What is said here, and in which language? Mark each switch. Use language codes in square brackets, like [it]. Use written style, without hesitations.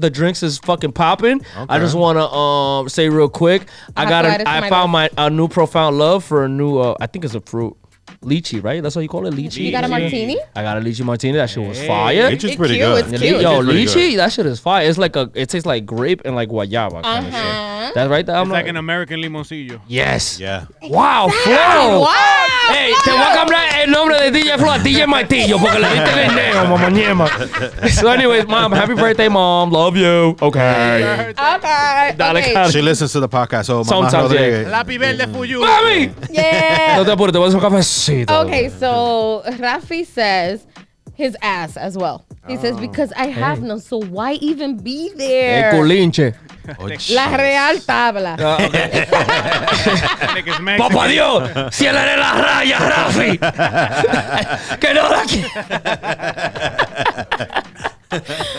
[en] The drinks is fucking popping. Okay. I just want to say real quick, I found a new profound love for a new, I think it's a fruit. Lychee, right? That's what you call it, lychee. You got a martini? I got a lychee martini. That shit was fire. Lychee's pretty good. It's cute. Yo, lychee, that shit is fire. It tastes like grape and like guayaba kind of shit. That's right. It's like an American limoncillo. Yes. Yeah. Wow, Flo. Wow. [es] Hey, te voy a cambiar el nombre de DJ Flo a DJ Martillo porque le diste el dinero, mamá niema. [en] So anyways, mom, happy birthday, mom. Love you. Okay. Okay. She listens to the podcast. So sometimes, yeah. [es] Lápiz verde [en] for you. [es] Mami. [en] Yeah. [es] No te apures, te voy a hacer un café. [en] Okay, so Rafi says his ass as well. He says, because I have none, so why even be there? [es] El culinche. La real tabla. Papá Dios, cierre la raya, Rafi. Que no la quiero.